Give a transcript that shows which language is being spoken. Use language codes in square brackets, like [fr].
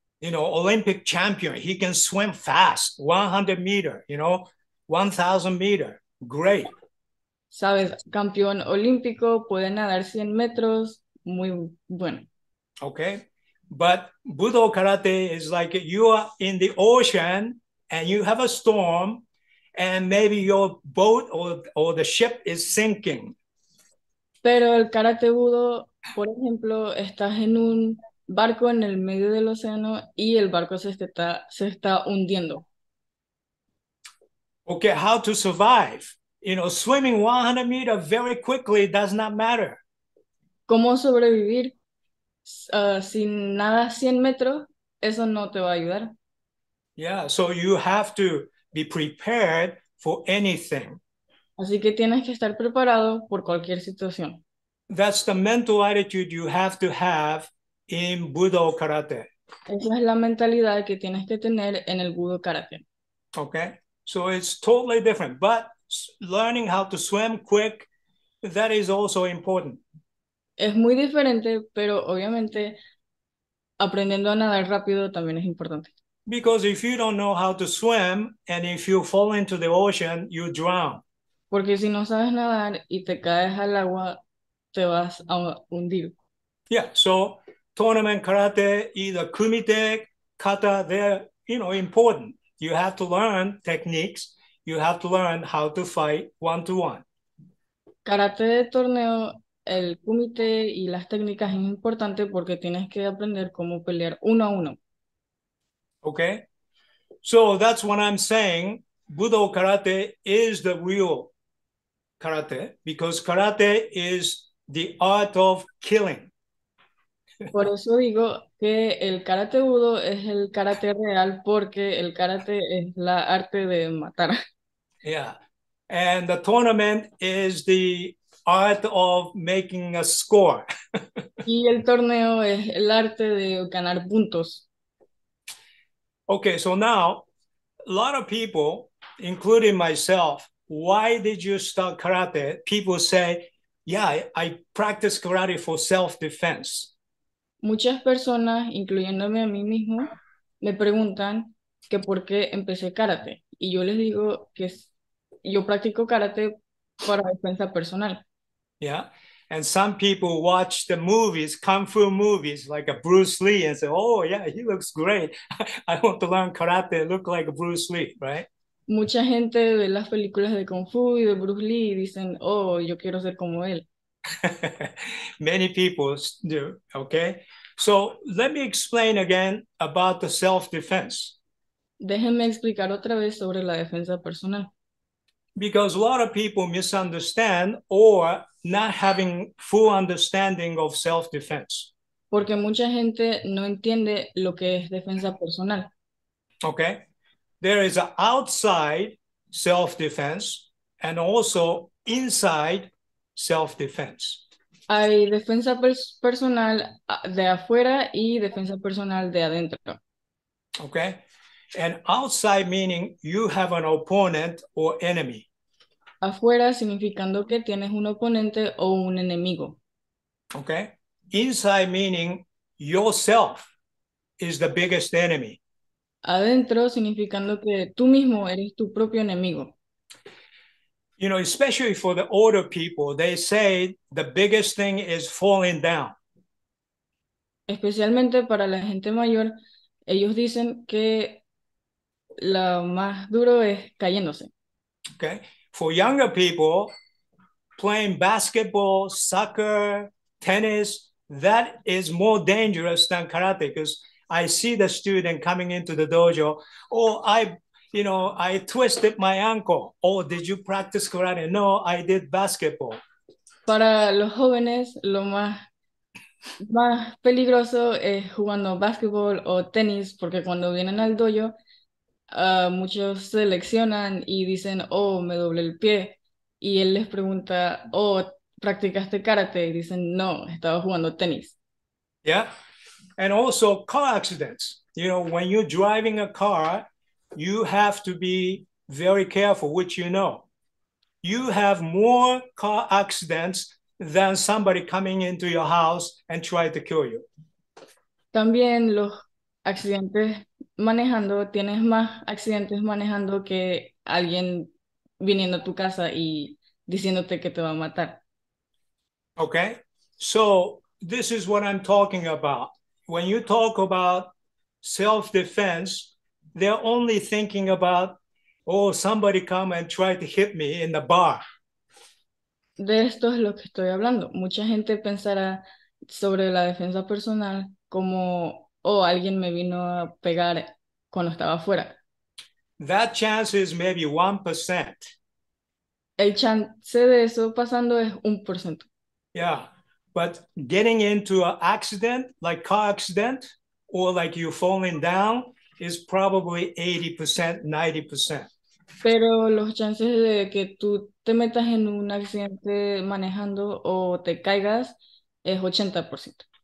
[en] You know, Olympic champion, he can swim fast, 100 meter, you know, 1,000 meter, great. [es] Sabes, campeón olímpico, puede nadar 100 metros, muy bueno. [en] Okay, but Budo Karate is like you are in the ocean and you have a storm and maybe your boat or the ship is sinking. [es] Pero el Karate Budo, por ejemplo, estás en un barco en el medio del océano y el barco se está hundiendo. [en] Okay, how to survive? You know, swimming 100 meters very quickly does not matter. [es] ¿Cómo sobrevivir sin nada 100 metros? Eso no te va a ayudar. [en] Yeah, so you have to be prepared for anything. [es] Así que tienes que estar preparado por cualquier situación. [en] That's the mental attitude you have to have in Budo Karate. [es] Esa es la mentalidad que tienes que tener en el Budo Karate. [en] Okay, so it's totally different, but learning how to swim quick, that is also important. [es] Es muy diferente, pero obviamente aprendiendo a nadar rápido también es importante. [en] Because if you don't know how to swim and if you fall into the ocean, you drown. [es] Porque si no sabes nadar y te caes al agua, te vas a hundir. [en] Yeah, so tournament karate, either kumite, kata, they're, you know, important. You have to learn techniques. You have to learn how to fight one-to-one. [es] Karate de torneo, el kumite y las técnicas es importante porque tienes que aprender cómo pelear uno a uno. [en] Okay. So that's what I'm saying. Budo karate is the real karate because karate is the art of killing. [es] Por eso digo que el karate budo es el karate real porque el karate es la arte de matar. [en] Yeah. And the tournament is the art of making a score. [es] Y el torneo es el arte de ganar puntos. [en] Okay, so now, a lot of people, including myself, why did you start karate? People say, yeah, I practice karate for self-defense. [es] Muchas personas, incluyéndome a mí mismo, me preguntan que por qué empecé karate. Y yo les digo que yo practico karate para defensa personal. [en] Yeah, and some people watch the movies, kung fu movies, like a Bruce Lee, and say, oh, yeah, he looks great. I want to learn karate, look like Bruce Lee, right? [es] Mucha gente ve las películas de kung fu y de Bruce Lee y dicen, oh, yo quiero ser como él. [en] Many people do, okay? So let me explain again about the self-defense. [es] Déjenme explicar otra vez sobre la defensa personal. [en] Because a lot of people misunderstand or not having full understanding of self-defense. [es] Porque mucha gente no entiende lo que es defensa personal. [en] Okay. There is an outside self-defense and also inside self-defense. [es] Hay defensa personal de afuera y defensa personal de adentro. [en] Okay. And outside meaning you have an opponent or enemy. [es] Afuera significando que tienes un oponente o un enemigo. [en] Okay. Inside meaning yourself is the biggest enemy. [es] Adentro significando que tú mismo eres tu propio enemigo. [en] You know, especially for the older people, they say the biggest thing is falling down. [es] Especialmente para la gente mayor, ellos dicen que lo más duro es cayéndose. [en] Okay. For younger people, playing basketball, soccer, tennis, that is more dangerous than karate because I see the student coming into the dojo, oh, I twisted my ankle. Oh, did you practice karate? No, I did basketball. [es] Para los jóvenes, lo más peligroso es jugando basketball o tenis porque cuando vienen al dojo, muchos seleccionan y dicen, oh, me doblé el pie. Y él les pregunta, oh, ¿practicaste karate? Y dicen, no, estaba jugando tenis. [en] Yeah. And also car accidents. You know, when you're driving a car, you have to be very careful, which you know. You have more car accidents than somebody coming into your house and try to kill you. [es] También los accidentes manejando, tienes más accidentes manejando que alguien viniendo a tu casa y diciéndote que te va a matar. [en] Okay, so this is what I'm talking about. When you talk about self-defense, they're only thinking about, oh, somebody come and try to hit me in the bar. [es] De esto es lo que estoy hablando. Mucha gente pensará sobre la defensa personal como, oh, alguien me vino a pegar cuando estaba afuera. [en] That chance is maybe 1%. [es] El chance de eso pasando es 1%. [en] Yeah, but getting into an accident, like car accident, or like you falling down, is probably 80%, 90%. [es] Pero los chances de que tú te metas en un accidente manejando o te caigas es 80%.